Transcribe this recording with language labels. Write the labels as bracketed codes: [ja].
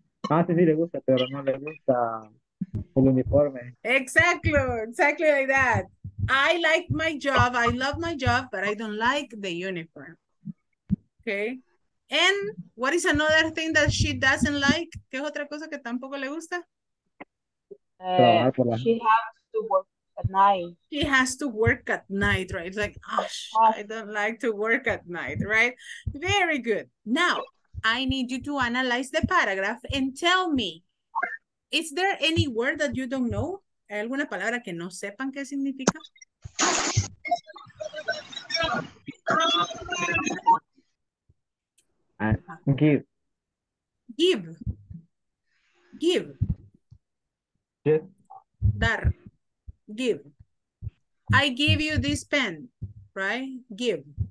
[es] Ah, sí, sí le gusta, pero no le gusta... El uniforme. [en] Exactly like that. I like my job. I love my job, but I don't like the uniform. Okay. And what is another thing that she doesn't like? [es] ¿Qué es otra cosa que tampoco le gusta? [en] She has to work at night. She has to work at night, right? It's like, gosh, I don't like to work at night, right? Very good. Now, I need you to analyze the paragraph and tell me, is there any word that you don't know? [es] ¿Hay alguna palabra que no sepan qué significa? [en] Give. Give. Give. Yes. Dar. Give. I give you this pen, right? Give.